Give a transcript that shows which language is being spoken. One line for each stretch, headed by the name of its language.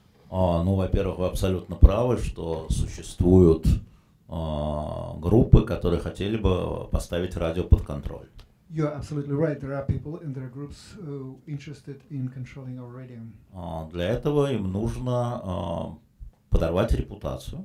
Russian: Ну, во-первых, вы абсолютно правы, что существуют группы, которые хотели бы поставить радио под контроль.
English: You are absolutely right. There are people and there are groups interested in controlling our radio.
Russian: Для этого им нужно подорвать репутацию.